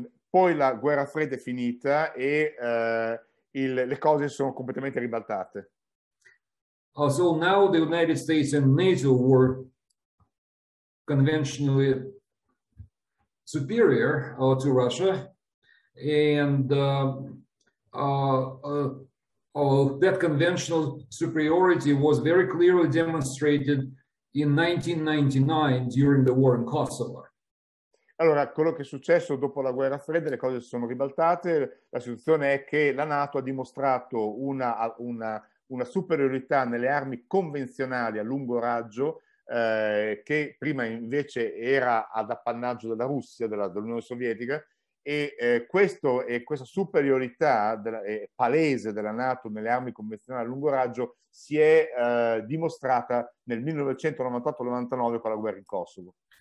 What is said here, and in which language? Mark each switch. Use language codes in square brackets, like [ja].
[it] Poi la guerra fredda è finita e le cose sono completamente ribaltate. [en] So now the United States and NATO were conventionally superior to Russia, and that conventional superiority was very clearly demonstrated in 1999 during the war in Kosovo. [it] Allora, quello che è successo dopo la guerra fredda, le cose si sono ribaltate. La situazione è che la NATO ha dimostrato una superiorità nelle armi convenzionali a lungo raggio, che prima invece era ad appannaggio della Russia, dell'Unione Sovietica, e questa superiorità palese della NATO nelle armi convenzionali a lungo raggio si è dimostrata nel 1998-99 con la guerra in Kosovo.